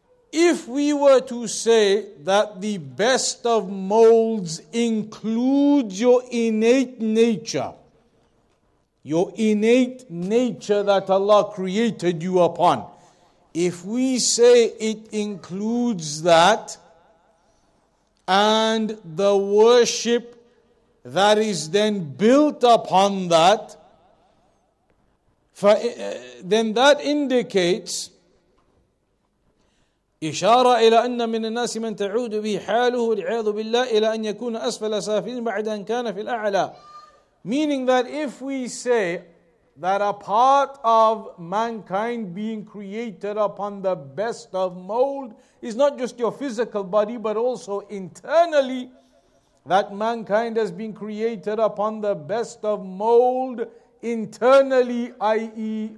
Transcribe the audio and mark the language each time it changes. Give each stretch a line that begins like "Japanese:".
English: If we were to say that the best of molds includes your innate nature, your innate nature that Allah created you upon, if we say it includes that and the worship that is then built upon that, then that indicates
Arabic: إشارة إلى أن من الناس من تعود به حاله والعياذ بالله إلى أن يكون أسفل سافلين بعد أن كان في الأعلى.
English: Meaning that if we say that a part of mankind being created upon the best of mold is not just your physical body but also internally, that mankind has been created upon the best of mold internally, i.e.